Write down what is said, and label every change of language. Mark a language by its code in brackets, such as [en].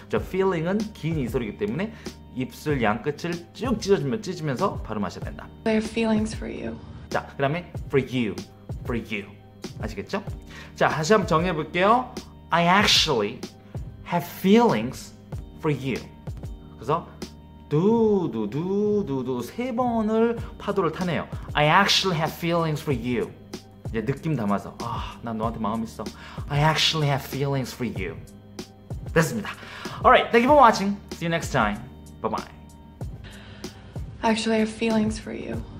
[ko] 저 feeling은 긴 이 소리이기 때문에 입술 양 끝을 쭉 찢어주면서 발음하셔야 된다. [en] I have feelings for you. [ko] 자, 그다음에 for you. 아시겠죠? 자, 다시 한번 정리해 볼게요. [en] I actually have feelings for you. [ko] 그래서 두두두두두 세 번을 파도를 타네요. [en] I actually have feelings for you. [ko] 이제 느낌 담아서 나 너한테 마음 있어. [en] I actually have feelings for you. [ko] 됐습니다. [en] Alright, thank you for watching. See you next time. Bye bye. Actually, I have feelings for you.